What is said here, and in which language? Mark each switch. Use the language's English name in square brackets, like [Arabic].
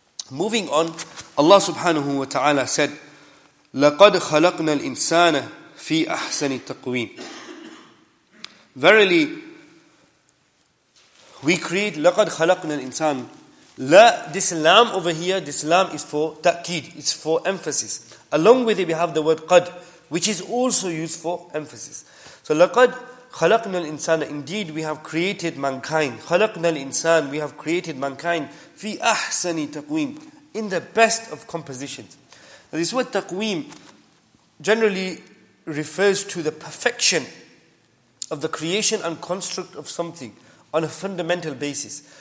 [English] Moving on, Allah subhanahu wa ta'ala said, [Arabic] لَقَدْ خَلَقْنَا الْإِنسَانَ فِي أَحْسَنِ التَّقْوِيمِ. [English] Verily, we create, [Arabic] لَقَدْ خَلَقْنَا الْإِنسَانِ. [English] La, this lam over here, this lam is for ta'kid, it's for emphasis. Along with it, we have the word qad, which is also used for emphasis. [Arabic] So, لَقَدْ خَلَقْنَا الْإِنسَانَ. [English] Indeed, we have created mankind. [Arabic] خَلَقْنَا الْإِنسَانِ. [English] We have created mankind. [Arabic] فِي أَحْسَنِ تَقْوِيمِ. [English] In the best of compositions. Now, this word taqweem generally refers to the perfection of the creation and construct of something on a fundamental basis.